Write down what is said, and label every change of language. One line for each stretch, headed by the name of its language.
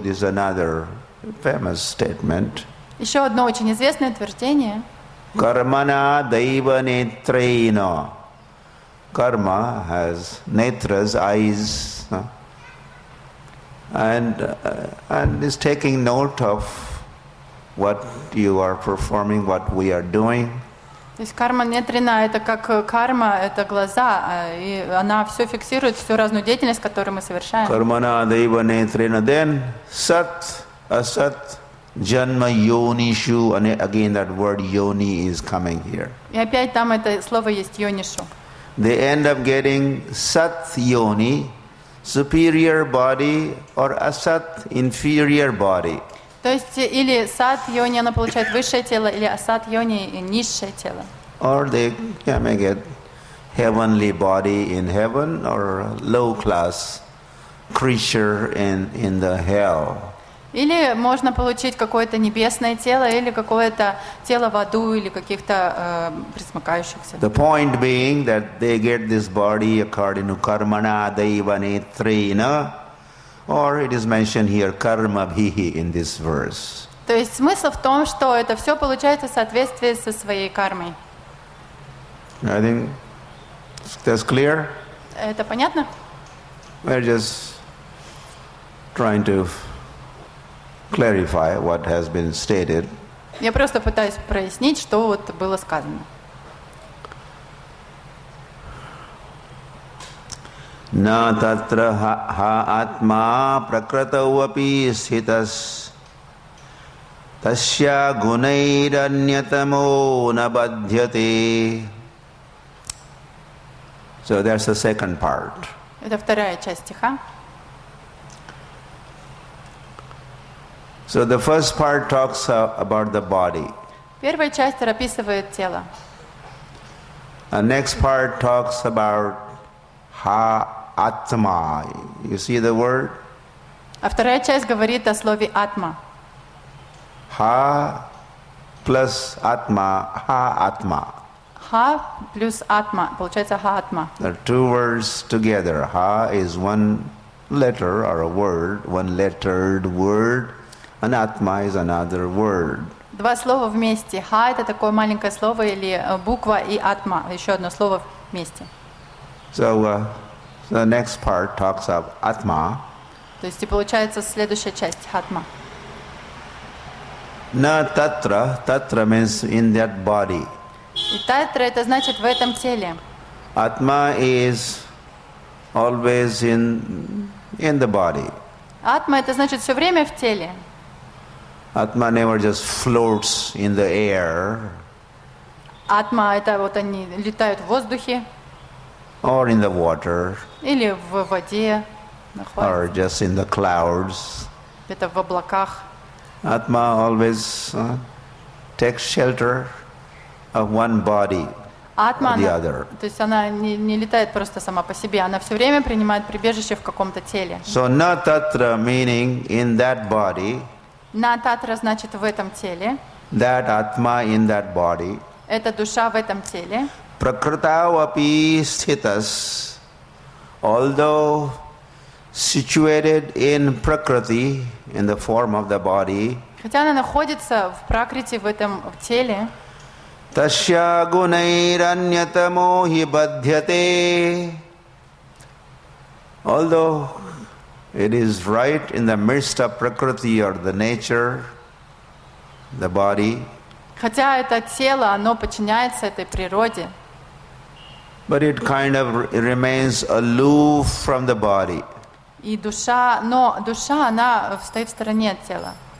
English: This is another famous statement.
Russian: Еще одно очень известное утверждение.
Sanskrit: Кармана дайва нетрена.
English: Карма has netras, eyes. And is taking note of what you are performing, what we are doing.
Russian: То есть карма нетрина это как карма, это глаза, и она все фиксирует, всю разную деятельность, которую мы совершаем.
Sanskrit: Кармана дайва нетрина. Then сат асат джанма йонишу.
English: And again that word йони is coming here.
Russian: И опять там это слово есть йонишу.
English: They end up getting сат йони. Superior body or asat, inferior body.
Russian: То есть или сат йони она получает высшее тело, или асат йони низшее тело.
English: Or they may get heavenly body in heaven or low class creature in the hell.
Russian: Или можно получить какое-то небесное тело, или какое-то тело в аду, или каких-то присмыкающихся.
English: The point being that they get this body according to
Sanskrit: karmana daiva netrena,
English: or it is mentioned here
Sanskrit: karma bhihi
English: in this verse.
Russian: То есть смысл в том, что это все получается в соответствии со своей кармой.
English: I think that's clear.
Russian: Это понятно?
English: We're just trying to clarify what has been stated.
Russian: Я просто пытаюсь прояснить, что вот было сказано.
Sanskrit: На татра ха атма пракратау апи ститас тасья гунайраньятамо на бадхьяте.
English: So that's the second part.
Russian: Это вторая часть стиха.
English: So the first part talks about the body.
Russian: Первая часть описывает тело.
English: The next part talks about ha atma. You see the word?
Russian: А вторая часть говорит о слове атма.
English: Ha plus атма, ha атма.
Russian: Ha plus атма, получается ha атма.
English: The two words together. Ha is one letter or a word, one lettered word. An atma is another word.
Russian: Два слова вместе. Ха это такое маленькое слово или буква и атма еще одно слово вместе.
English: So the next part talks of atma.
Russian: То есть и получается следующая часть атма.
Sanskrit: На татра,
English: татра means in that body.
Russian: И татра это значит в этом теле.
English: Атма is always in the body.
Russian: Атма это значит все время в теле.
English: Атма never just floats in the air.
Russian: Атма это вот они летают в воздухе.
English: Or in the water.
Russian: Или в воде.
English: Or just in the clouds.
Russian: Это в облаках.
English: Атма always takes shelter of one body Atma, or the other.
Russian: То есть она не летает просто сама по себе, она все время принимает прибежище в каком-то теле.
English: So
Sanskrit: на татра
English: meaning in that body.
Russian: На татра значит в этом теле.
English: That atma in that body.
Russian: Это душа в этом теле.
Sanskrit: Пракритау апи ститас.
English: although situated in prakriti, in the form of the body,
Russian: хотя она находится в пракрити, в этом в теле,
Sanskrit: тасья гунайраньятамо хи бадхьяте,
English: although it is right in the midst of prakriti or the nature, the body,
Russian: хотя это тело, оно подчиняется этой природе,
English: but it kind of remains aloof from the body.
Russian: И душа, но душа, она стоит в стороне от тела.